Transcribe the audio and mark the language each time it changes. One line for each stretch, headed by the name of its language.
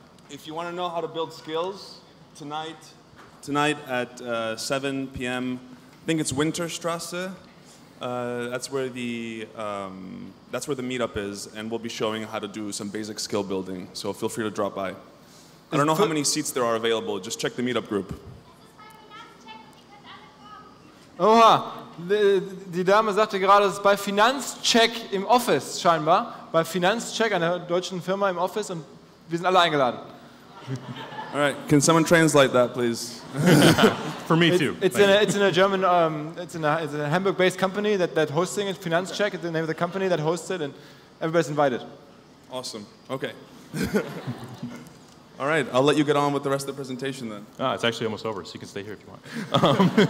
English: If you want to know how to build skills tonight at 7 p.m., I think it's Winterstrasse. That's where the meetup is, and we'll be showing how to do some basic skill building. So feel free to drop by. I don't know how many seats there are available. Just check the meetup group. Oh,
German: Die Dame sagte gerade, es ist bei Finanzcheck im Office scheinbar. Bei Finanzcheck einer deutschen Firma im Office und wir sind alle eingeladen.
English: All right, can someone translate that, please? For me too. It's a Hamburg-based company that hosting it. Finanzcheck is the name of the company that hosts it, and everybody's invited. Awesome. Okay. All right, I'll let you get on with the rest of the presentation then. Ah, it's actually almost over, so you can stay here if you want.